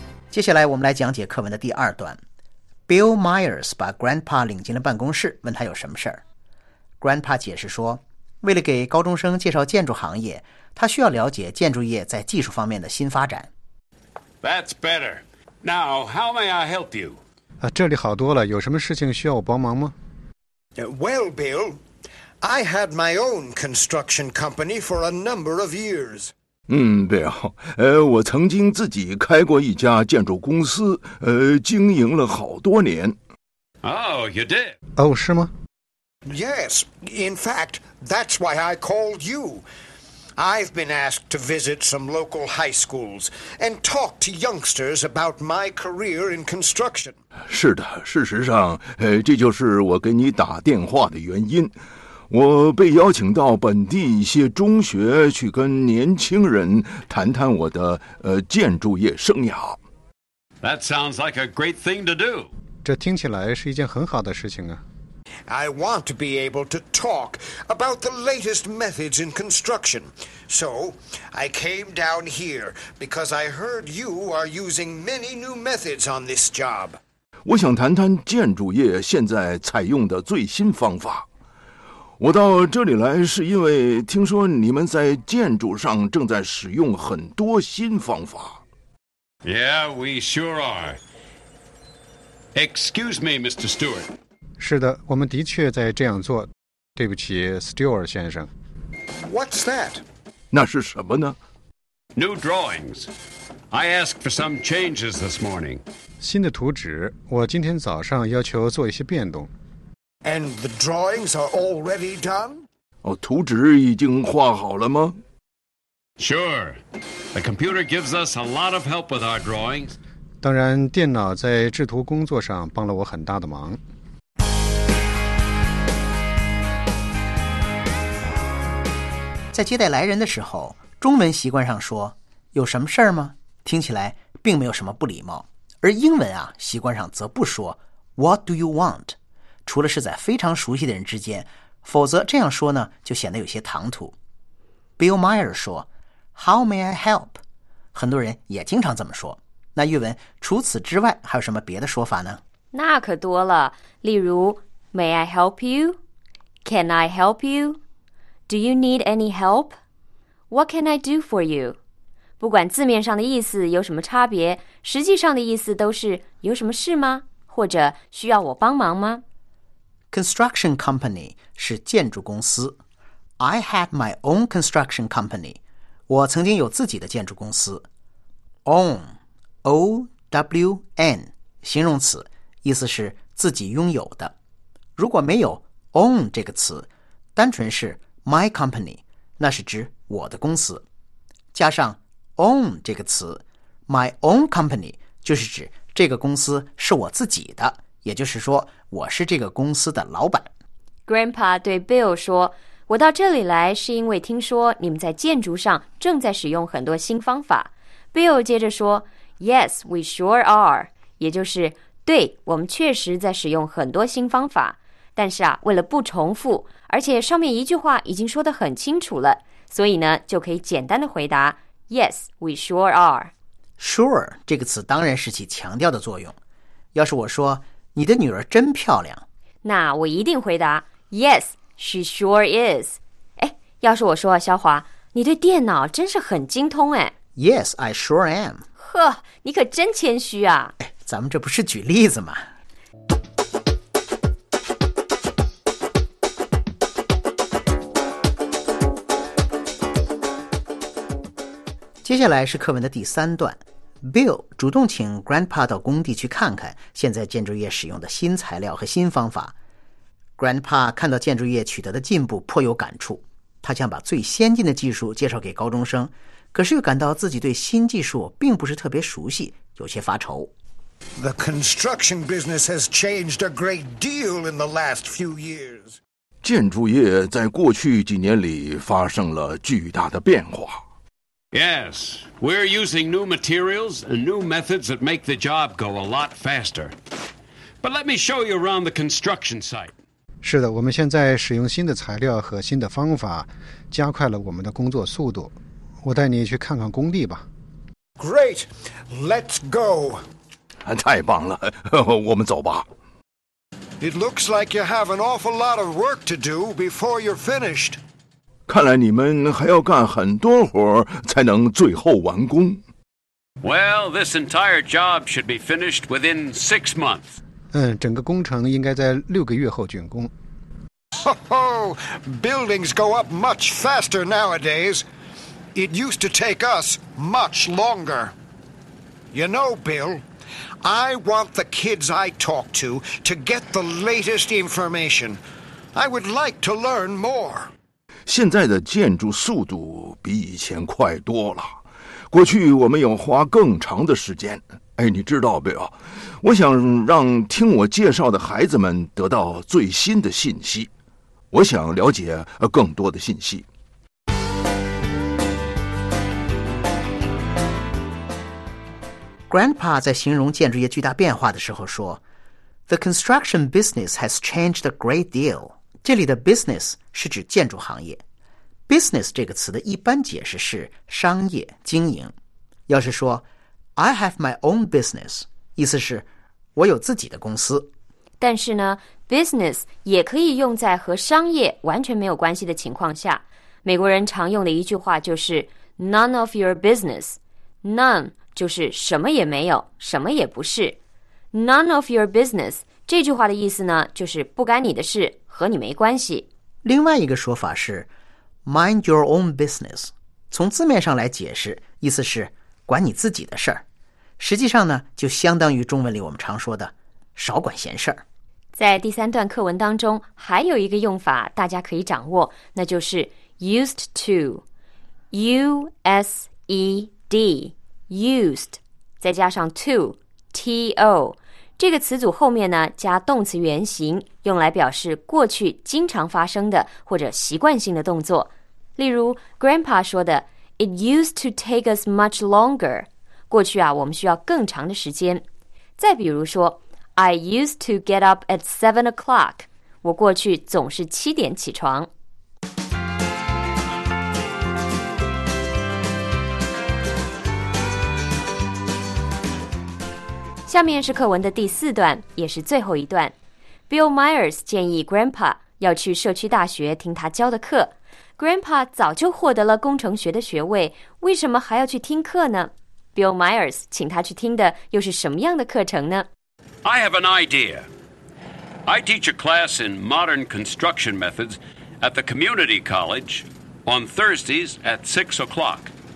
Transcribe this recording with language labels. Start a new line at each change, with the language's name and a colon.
Chinese: 接下来我们来讲解课文的第二段。Bill Myers 把 grandpa 领进了办公室，问他有什么事。 grandpa 解释说为了给高中生介绍建筑行业，他需要了解建筑业在技术方面的新发展。
English: That's better. Now, how may I help you?
Chinese: 啊，这里好多了，有什么事情需要我帮忙吗？
English: Well, Bill, I had my own construction company for a number of years.
Chinese: 嗯 ，Bill， 我曾经自己开过一家建筑公司，经营了好多年。
English: Oh, you did?
Chinese: 哦，是吗？
English: Yes, in fact, that's why I called you. I've been asked to visit some local high schools and talk to youngsters about my career in construction.
Chinese: 是的，事实上，这就是我给你打电话的原因。我被邀请到本地一些中学去跟年轻人谈谈我的建筑业生涯。
English: That sounds like a great thing to do.
Chinese: 这听起来是一件很好的事情啊。
English: I want to be able to talk about the latest methods in construction. So, I came down here because I heard you are using many new methods on this job.
Chinese: 我想谈谈建筑业现在采用的最新方法。我到这里来是因为听说你们在建筑上正在使用很多新方法。
English: Yeah, we sure are. Excuse me, Mr. Stewart.
Chinese: 是的，我们的确在这样做。对不起 ，Stewart 先生。
English: What's that?
Chinese: 那是什么呢
English: ？New drawings. I asked for some changes this morning.
Chinese: 新的图纸，我今天早上要求做一些变动。
English: And the drawings are already done?
Chinese: 哦，图纸已经画好了吗
English: ？Sure. The computer gives us a lot of help with our drawings.
Chinese: 当然，电脑在制图工作上帮了我很大的忙。在接待来人的时候，中文习惯上说有什么事儿吗，听起来并没有什么不礼貌，而英文啊，习惯上则不说
English: What do you want，
Chinese: 除了是在非常熟悉的人之间，否则这样说呢就显得有些唐突。 Bill Meyer 说
English: How may I help，
Chinese: 很多人也经常这么说。那玉文，除此之外还有什么别的说法呢？那可多了，例如
English: May I help you， Can I help youDo you need any help? What can I do for you?
Chinese: 不管字面上的意思有什么差别，实际上的意思都是有什么事吗？或者需要我帮忙吗？ Construction company 是建筑公司。
English: I had my own construction company.
Chinese: 我曾经有自己的建筑公司。Own, O-W-N, 形容词，意思是自己拥有的。如果没有 own 这个词，单纯是My company， 那是指我的公司，加上 own 这个词，
English: my own company
Chinese: 就是指这个公司是我自己的，也就是说我是这个公司的老板。 Grandpa 对 Bill 说，我到这里来是因为听说你们在建筑上正在使用很多新方法。 Bill 接着说，
English: Yes, we sure are，
Chinese: 也就是对，我们确实在使用很多新方法。但是啊，为了不重复，而且上面一句话已经说得很清楚了，所以呢，就可以简单的回答
English: Yes, we sure are.
Chinese: Sure 这个词当然是起强调的作用。要是我说你的女儿真漂亮，那我一定回答
English: Yes, she sure is.
Chinese: 哎，要是我说肖华，你对电脑真是很精通哎。
English: Yes, I sure am.
Chinese: 呵，你可真谦虚啊。哎，咱们这不是举例子吗？接下来是课文的第三段， Bill 主动请 Grandpa 到工地去看看现在建筑业使用的新材料和新方法。 Grandpa 看到建筑业取得的进步颇有感触，他想把最先进的技术介绍给高中生，可是又感到自己对新技术并不是特别熟悉，有些发愁。
English: The construction business has changed a great deal in the last few years.
Chinese: 建筑业在过去几年里发生了巨大的变化。
English: Yes, we're using new materials and new methods that make the job go a lot faster. But let me show you around the construction site.
Chinese: 是的，我们现在使用新的材料和新的方法，加快了我们的工作速度。我带你去看看工地吧。
English: Great, let's go.
Chinese: 太棒了，我们走吧。
English: It looks like you have an awful lot of work to do before you're finished.
Chinese: 看来你们还要干很多活才能最后完工。
English: Well, this entire job should be finished within 6 months.
Chinese: 整个工程应该在6个月后竣工。
English: Ho ho! Buildings go up much faster nowadays. It used to take us much longer. You know, Bill, I want the kids I talk to get the latest information. I would like to learn more.
Chinese: 现在的建筑速度比以前快多了。过去我们要花更长的时间。哎，你知道没有？我想让听我介绍的孩子们得到最新的信息。我想了解更多的信息。 Grandpa 在形容建筑业巨大变化的时候说
English: The construction business has changed a great deal.
Chinese: 这里的 business 是指建筑行业。Business 这个词的一般解释是商业、经营。要是说
English: I have my own business,
Chinese: 意思是我有自己的公司。但是呢 ,business 也可以用在和商业完全没有关系的情况下。美国人常用的一句话就是
English: none of your business。
Chinese: None 就是什么也没有，什么也不是。
English: None of your business,
Chinese: 这句话的意思呢就是不干你的事，和你没关系。另外一个说法是
English: mind your own business。
Chinese: 从字面上来解释，意思是管你自己的事儿。实际上呢就相当于中文里我们常说的少管闲事儿。在第三段课文当中还有一个用法大家可以掌握，那就是 used to。 used, used, 再加上 to, to。这个词组后面呢加动词原形，用来表示过去经常发生的或者习惯性的动作。例如 Grandpa 说的
English: It used to take us much longer。
Chinese: 过去啊我们需要更长的时间。再比如说
English: I used to get up at 7 o'clock.
Chinese: 我过去总是7点起床。下面是课文的第四段，也是最后一段。Bill Myers 建议 Grandpa 要去社区大学听他教的课。 Grandpa 早就获得了工程学的学位，为什么还要去听课呢？Bill Myers 请他去听的又是什么样的课程呢？
English: I have an idea. I teach a class in modern construction methods at the community college on Thursdays at 6 o'clock.